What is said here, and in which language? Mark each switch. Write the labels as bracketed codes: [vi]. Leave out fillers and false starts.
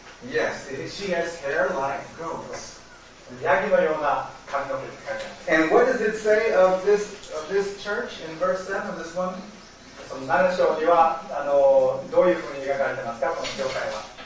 [en] Yes, she has hair like goats. [ja] ヤギのような髪の毛って書いてあります。 [en] And what does it say of this church in verse 7 of this one? [ja] その7章にはどういうふうに描かれてますか、この教会は。